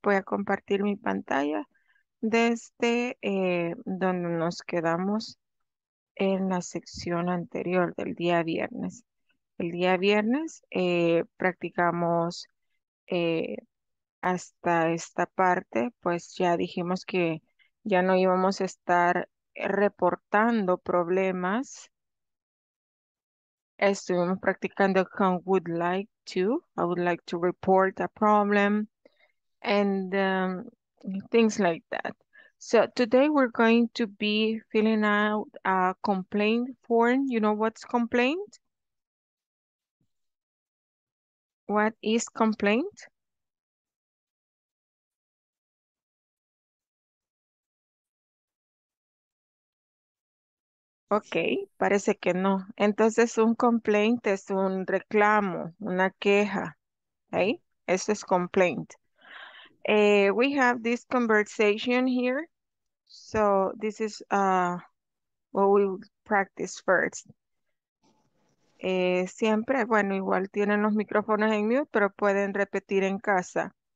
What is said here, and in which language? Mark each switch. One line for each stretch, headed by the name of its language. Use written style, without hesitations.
Spanish: Voy a compartir mi pantalla desde donde nos quedamos en la sección anterior del día viernes. El día viernes practicamos hasta esta parte, pues ya dijimos que ya no íbamos a estar reportando problemas. Estuvimos practicando con
English: I would like to report a problem and things like that. So today we're going to be filling out a complaint form. You know what's complaint? What is complaint?
Spanish: Ok, parece que no. Entonces un complaint es un reclamo, una queja. ¿Okay? Eso es
English: complaint. We have this conversation here. So this is what we will practice first.
Spanish: Siempre, bueno, igual tienen los micrófonos en mute, pero pueden repetir en casa.